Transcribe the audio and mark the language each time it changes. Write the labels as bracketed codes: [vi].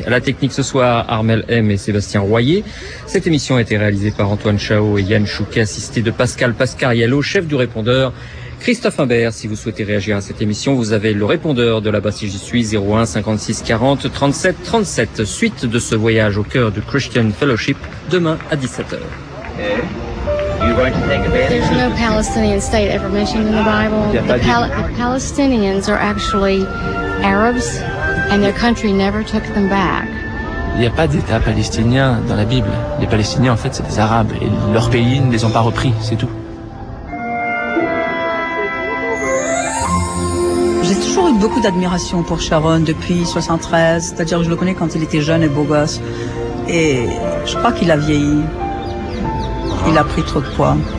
[fr] À la technique ce soir, Armel M et Sébastien Royer. Cette émission a été réalisée par Antoine Chao et Yann Chouquet, assisté de Pascal Pascariello, chef du répondeur. Christophe Imbert, si vous souhaitez réagir à cette émission, vous avez le répondeur de là-bas si j'y suis, 01 56 40 37 37. Suite de ce voyage au cœur du Christian Fellowship, demain à 17h. [en] There's no Palestinian state ever mentioned in the Bible. The Palestinians are actually Arabs, and their country never took them back. [fr] Il n'y a pas d'État palestinien dans la Bible. Les Palestiniens, en fait, c'est des Arabes, et leur pays ne les ont pas repris, c'est tout. J'ai toujours eu beaucoup d'admiration pour Sharon depuis 73, c'est-à-dire que je le connais quand il était jeune et beau gosse, et je crois qu'il a vieilli. Il a pris trop de poids.